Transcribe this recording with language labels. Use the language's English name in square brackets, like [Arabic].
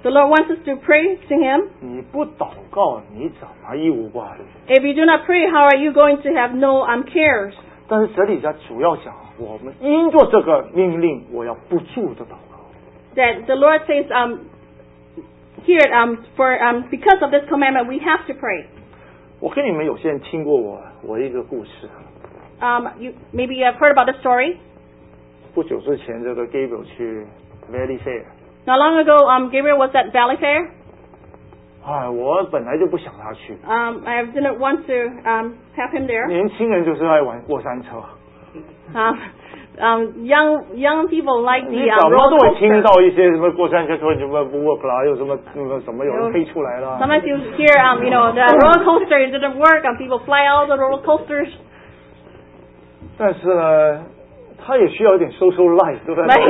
[English] The Lord wants us to pray to Him. [Chinese] 你不祷告，你怎么一无挂虑？ [English] If you do not pray, how are you going to have no cares? [Chinese] 但是这里在主要讲，我们因着这个命令，我要不住的祷告。 [English] That the Lord says, here, because of this commandment, we have to pray. [Chinese] 我跟你们有些人听过我一个故事。 [English] Maybe you have heard about the story. [Chinese] 不久之前，这个 Gabriel 去 Valley Fair. [English] Not long ago, Gabriel was at Valley Fair. [Chinese] 哎，我本来就不想他去。 [English] I didn't want to have him there. [Chinese] 年轻人就是爱玩过山车。 [English] Young people like the roller coaster. [Chinese] 你怎么都会听到一些什么过山车说什么不 work 啦，又什么那个什么有人飞出来了。 [English] Sometimes you hear you know the roller coaster didn't work and people fly out the roller coasters. [Chinese] 但是呢，他也需要一点 [English] social life， [Chinese] 对不对？